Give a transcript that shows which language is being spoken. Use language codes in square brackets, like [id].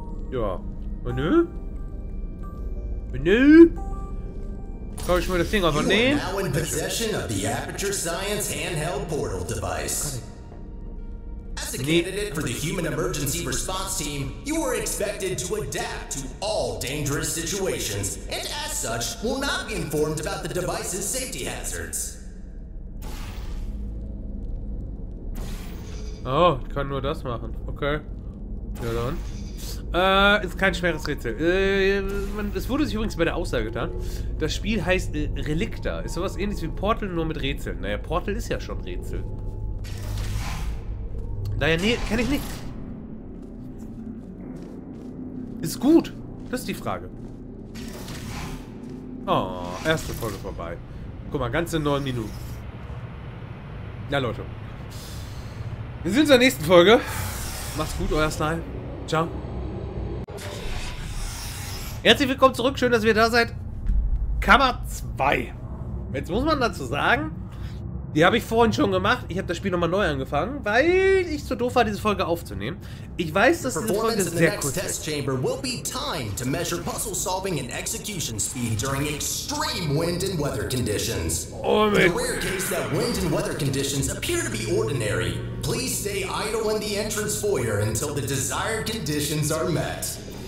[de] Ja. Und nö? Kann ich mir das Ding einfach nehmen? [en] You are now in possession of the Aperture Science handheld portal device. As a candidate for the Human Emergency Response Team, you are expected to adapt to all dangerous situations, and as such, will not be informed about the device's safety hazards. [de] Oh, ich kann nur das machen. Okay. Ja dann. Ist kein schweres Rätsel. Es wurde sich übrigens bei der Aussage getan, das Spiel heißt Relicta. Ist sowas ähnliches wie Portal, nur mit Rätseln. Naja, Portal ist ja schon Rätsel. Naja, nee, kenne ich nicht. Ist gut. Das ist die Frage. Oh, erste Folge vorbei. Guck mal, ganze 9 Minuten. Ja, Leute. Wir sehen uns in der nächsten Folge. Macht's gut, euer Style. Ciao. Herzlich willkommen zurück. Schön, dass ihr da seid. Kammer 2. Jetzt muss man dazu sagen, Die habe ich vorhin schon gemacht. Ich habe das Spiel nochmal neu angefangen, weil ich zu doof war, diese Folge aufzunehmen. Ich weiß, dass diese Folge sehr kurz ist. [en] Will be time to measure puzzle solving and execution speed during extreme wind and weather conditions. Oh, in the rare case that wind and weather conditions appear to be ordinary, please stay idle in the entrance foyer until the desired conditions are met.